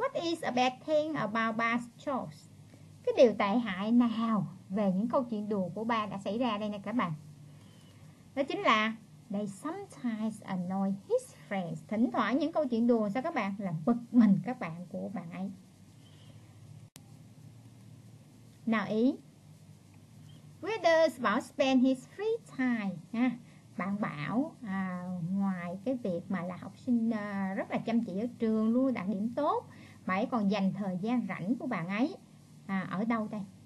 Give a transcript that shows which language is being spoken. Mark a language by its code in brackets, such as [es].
[en] What is a bad thing about Ba's chores? [vi] Cái điều tệ hại nào về những câu chuyện đùa của ba đã xảy ra đây nè các bạn? Đó chính là [en] they sometimes annoy his friends. [vi] Thỉnh thoảng những câu chuyện đùa sao các bạn? Là bực mình các bạn của bạn ấy. [en] Nào ý. Where does Bảo spend his free time? Ha? [vi] Bạn Bảo ngoài cái việc mà là học sinh rất là chăm chỉ ở trường luôn, đạt điểm tốt, bạn ấy còn dành thời gian rảnh của bạn ấy ở đâu đây?